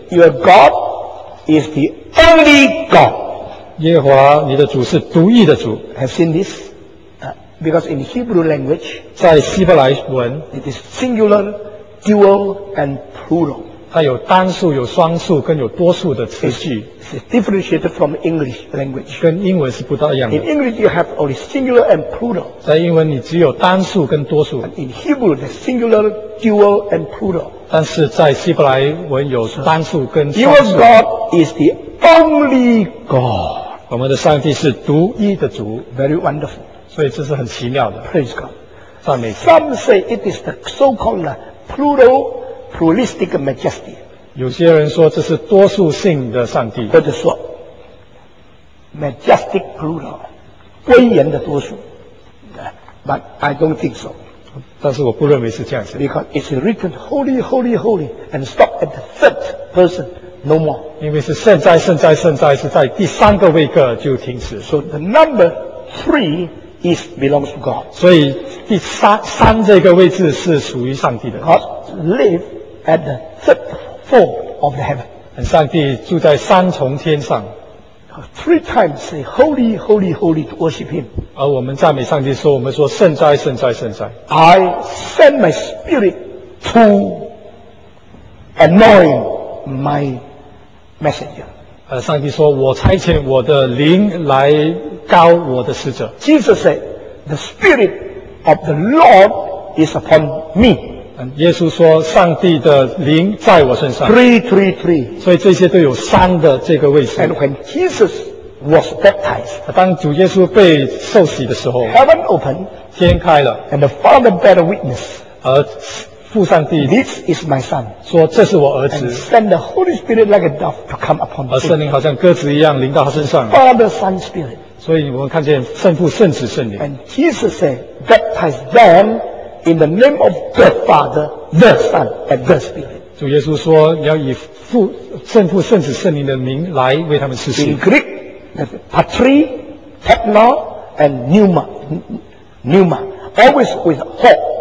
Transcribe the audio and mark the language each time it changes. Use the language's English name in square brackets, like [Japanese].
[English] Your God is the only God [Chinese] 耶和华你的主是独一的主 [English] Have seen this? Because in Hebrew language [Chinese] 在希伯来文 [English] It is singular, dual and plural [Chinese] 它有单数、有双数跟有多数的词句。 [English] It's differentiated from English language. [Chinese] 跟英文是不大一样的。 [English] In English, you have only singular and plural. [Chinese] 在英文，你只有单数跟多数。 [English] And in Hebrew, the singular, dual, and plural. [Chinese] 但是在希伯来文有单数跟双数。 [English] Your God is the only God. [Chinese] 我们的上帝是独一的主。 [English] Very wonderful. [Chinese] 所以这是很奇妙的。 [English] Praise God. [Chinese] 赞美神。 [English] Some say it is the so-called pluralistic majesty. [Chinese] 有些人说这是多数性的上帝，或者说 [English] majestic plural, [Chinese] 威严的多数。 [English] But I don't think so. [Chinese] 但是我不认为是这样子。 [English] Because it's written holy, holy, holy, and stop at the third person, no more. [Chinese] 因为是圣哉、圣哉、圣哉，是在第三个位格就停止。 [English] So the number three. Is belongs to God. [Chinese] 所以第三这个位置是属于上帝的。 [English] God lives at the third floor of the heaven. [Chinese] 上帝住在三重天上。 [English] Three times say holy, holy, holy to worship Him. [Chinese] 而我们赞美上帝说，我们说圣哉，圣哉，圣哉。 [English] I send my spirit to anoint my messenger. [Chinese] 上帝说，我差遣我的灵来。高我的使者。 [English] Jesus said, "The Spirit of the Lord is upon me." [Chinese] 耶稣说，上帝的灵在我身上。 [English] Three, three, three. [Chinese] 所以这些都有三的这个位置。 [English] And when Jesus was baptized, [Chinese] 当主耶稣被受洗的时候 [English] ，Heaven opened, [Chinese] 天开了。 [English] And the Father bear witness, [Chinese] 而父上帝 [English] ，This is my son. [Chinese] 说这是我儿子。 [English] And send the Holy Spirit like a dove to come upon me. [Chinese] 而圣灵好像鸽子一样临到他身上。 [English] Father, Son, Spirit. [Chinese] 所以我们看见圣父、圣子、圣灵。 [English] And Jesus said, "Baptize them in the name of the Father, the Son, and the Spirit." [Chinese] 主耶稣说，要以父、圣父、圣子、圣灵的名来为他们施洗。 [English] In Greek, patri, techno, and pneuma, always with ho.